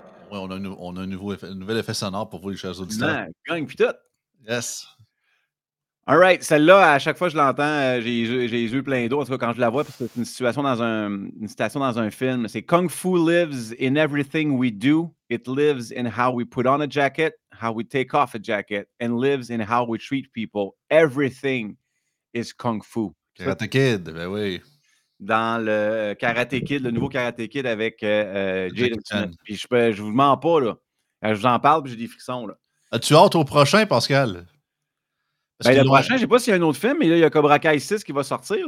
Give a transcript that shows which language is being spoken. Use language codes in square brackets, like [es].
[fr] Oui, on a un nouvel effet sonore pour vous, les chers auditeurs. Gagne, puis tout. [en] Yes. All right. [fr] Celle-là, à chaque fois que je l'entends, j'ai les yeux pleins d'eau. En tout cas, quand je la vois, parce que c'est une citation dans un film. C'est [en] « Kung Fu lives in everything we do. It lives in how we put on a jacket, how we take off a jacket, and lives in how we treat people. Everything is Kung Fu. » [fr] Karate Kid, ben oui. Dans le Karate Kid, le nouveau Karate Kid avec Jaden Smith. Puis je vous mens pas, là. Je vous en parle, puis j'ai des frissons, là. As-tu hâte au prochain, Pascal? Ben, le prochain, je ne sais pas s'il y a un autre film, mais là, il y a Cobra Kai 6 qui va sortir.